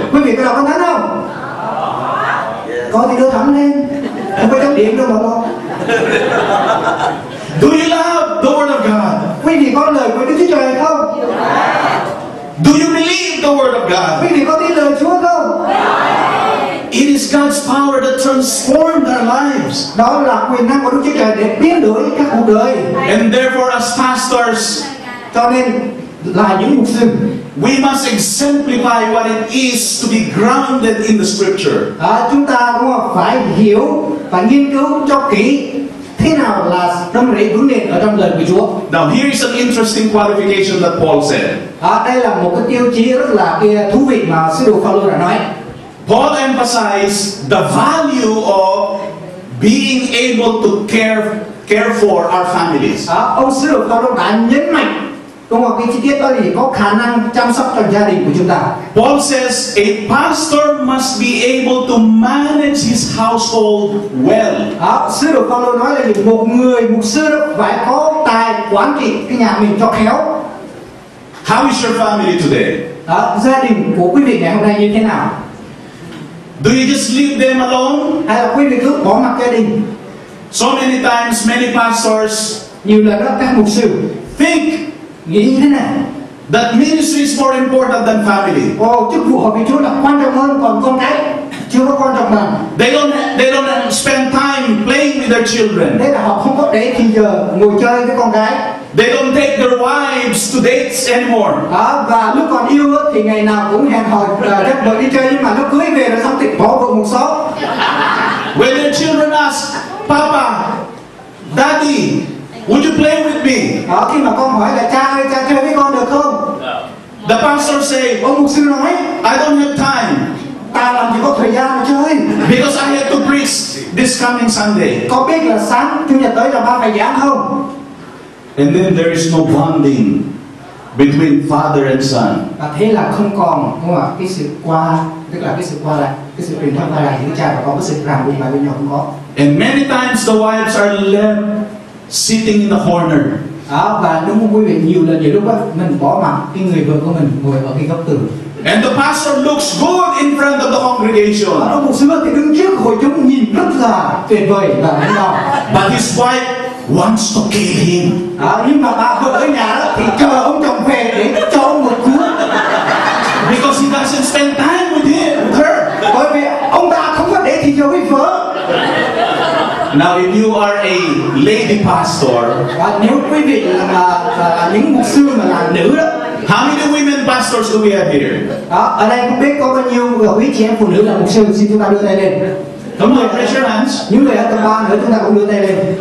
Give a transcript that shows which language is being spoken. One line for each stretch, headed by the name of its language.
Vietnamese: Quý vị có đọc Kinh Thánh không? Có thì đưa thẳng lên. Không có chấm điểm đâu mà lo.
English: Do you love the Word of God?
Vietnamese: Quý vị có lời của Đức Chúa Trời không?
English: Do you believe the Word of God?
Vietnamese: Quý vị có tin lời Chúa không?
English: It is God's power that transforms our lives.
Vietnamese: Đó là quyền năng của Đức Chúa Trời để biến đổi các cuộc đời.
English: And therefore, as pastors,
Vietnamese: cho nên là những mục sư,
English: we must exemplify what it is to be grounded in the Scripture.
Vietnamese: Chúng ta cũng phải hiểu và nghiên cứu cho kỹ thế nào là đâm rễ vững nền ở trong lời của Chúa.
English: Now here is an interesting qualification that Paul said.
Vietnamese: Đây là một cái tiêu chí rất là thú vị mà sứ đồ Phao-lô đã nói.
English: Paul emphasized the value of being able to care for our families.
Vietnamese: Ông sư đồ Phao-lô đã nhấn mạnh, đúng không? Cái chi tiết đó thì có khả năng chăm sóc cho gia đình của chúng ta.
English: Paul says a pastor must be able to manage his household well.
Vietnamese: Sư đồ Phao-lô nói là một người mục sư phải có tài quản trị cái nhà mình cho khéo.
English: How is your family today?
Vietnamese: Gia đình của quý vị ngày hôm nay như thế nào?
English: Do you just leave them alone?
Vietnamese: Hay là quý vị cứ bỏ mặc gia đình?
English: So many times, many pastors,
Vietnamese: nhiều lần đó các mục sư
English: think,
Vietnamese: nghĩ thế này,
English: that ministry is more important than family.
Vietnamese: Chức vụ của Chúa là quan trọng hơn còn con cái, chưa có quan trọng bằng.
English: They don't spend time playing with their children.
Vietnamese: Đấy là họ không có để thì giờ ngồi chơi với con cái.
English: They don't take their wives to dates anymore.
Vietnamese: Và lúc còn yêu thì ngày nào cũng hẹn hò dắt vợ đi chơi, nhưng mà lúc cưới về rồi xong thì bỏ vợ một số.
English: When their children ask, Papa, Daddy, would you play with me?
Vietnamese: Khi mà con hỏi là cha ơi, cha chơi với con được không?
English: The pastor say,
Vietnamese: ông mục sư nói,
English: I don't have time.
Vietnamese: Ta làm gì có thời gian chơi?
English: Because I have to preach this coming Sunday.
Vietnamese: Có biết là sáng chủ nhật tới là ba phải giảng không?
English: And then there is no bonding between father and son.
Vietnamese: Và thế là không còn, đúng không ạ? Cái sự truyền thông qua lại giữa cha và con, cái sự ràng buộc lại với nhau không có.
English: And many times the wives are left sitting in the corner.
Vietnamese: Và đúng không quý vị, nhiều lần nhiều lúc á, mình bỏ mặc cái người vợ của mình ngồi ở cái góc tường.
English: And the pastor looks good in front of the congregation.
Vietnamese: Ông mục sư thì đứng trước hội chúng nhìn rất là tuyệt vời và đẹp lòng.
English: But his wife wants to kill him.
Vietnamese: Nhưng mà bà vợ ở nhà đó thì chờ ông chồng về để cho ông một cú.
English: Because he doesn't spend time with him, with her.
Vietnamese: Bởi vì ông ta không có để thì giờ với vợ.
English: Now if you are a lady pastor.
Vietnamese: Nếu quý vị là những mục sư mà là nữ đó.
English: How many women pastors do we have here?
Vietnamese: Ở đây không biết có bao nhiêu quý chị em phụ nữ là mục sư, xin chúng ta đưa tay lên.
English: Come on, raise your hands.
Vietnamese: Những người ở tầng ba nữa chúng ta cũng đưa tay lên.